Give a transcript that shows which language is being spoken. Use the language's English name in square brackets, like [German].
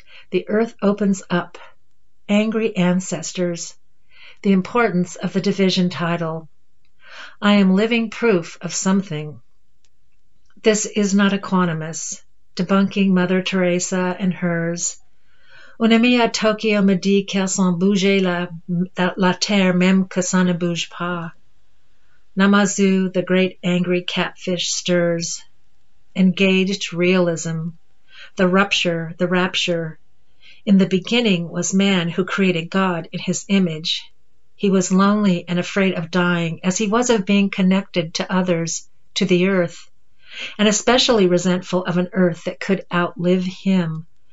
[English] The earth opens up. Angry ancestors, the importance of the division title. I am living proof of something. This is not equanimous, debunking Mother Teresa and hers. [French] Un ami à Tokyo me dit qu'elle s'en bouge la terre même que ça ne bouge pas. [English] Namazu, the great angry catfish, stirs. Engaged realism, the rapture. In the beginning was man who created God in his image. He was lonely and afraid of dying, as he was of being connected to others, to the earth, and especially resentful of an earth that could outlive him.